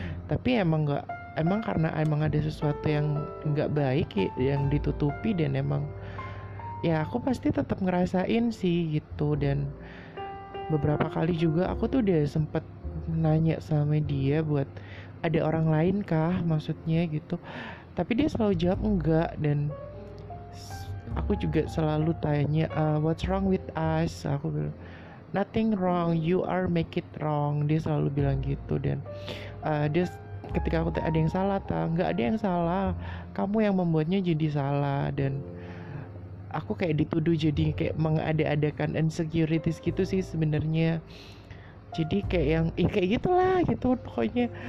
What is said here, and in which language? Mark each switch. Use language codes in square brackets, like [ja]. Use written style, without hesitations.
[id] Tapi emang karena ada sesuatu yang gak baik yang ditutupi, dan emang ya aku pasti tetap ngerasain sih gitu. Dan beberapa kali juga aku tuh udah sempet nanya sama dia buat ada orang lain kah maksudnya gitu, tapi dia selalu jawab enggak. Dan aku juga selalu tanya, [en] what's wrong with us? [id] Aku bilang, [en] nothing wrong, you are make it wrong. [id] Dia selalu bilang gitu. Dan dia ketika aku tanya, ada yang salah tak? Enggak ada yang salah, kamu yang membuatnya jadi salah. Dan aku kayak dituduh jadi kayak mengada-adakan insecurities gitu sih sebenarnya. Jadi kayak yang, kayak gitulah gitu pokoknya.